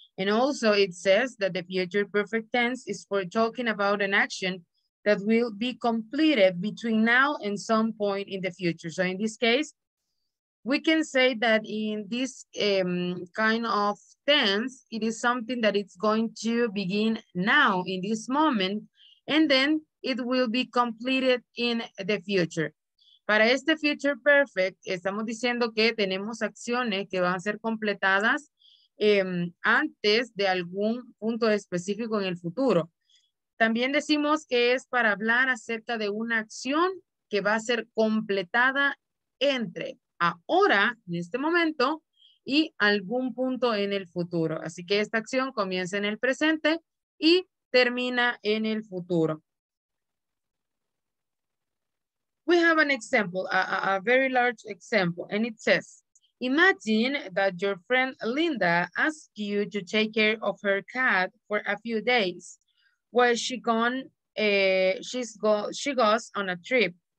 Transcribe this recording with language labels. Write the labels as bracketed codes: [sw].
[en] And also it says that the future perfect tense is for talking about an action that will be completed between now and some point in the future. So in this case, we can say that in this kind of tense, it is something that it's going to begin now in this moment, and then it will be completed in the future. [es] Para este future perfect, estamos diciendo que tenemos acciones que van a ser completadas antes de algún punto específico en el futuro. También decimos que es para hablar acerca de una acción que va a ser completada entre ahora, en este momento, y algún punto en el futuro. Así que esta acción comienza en el presente y termina en el futuro. [en] We have an example, a very large example, and it says, imagine that your friend Linda asks you to take care of her cat for a few days while she goes on a trip.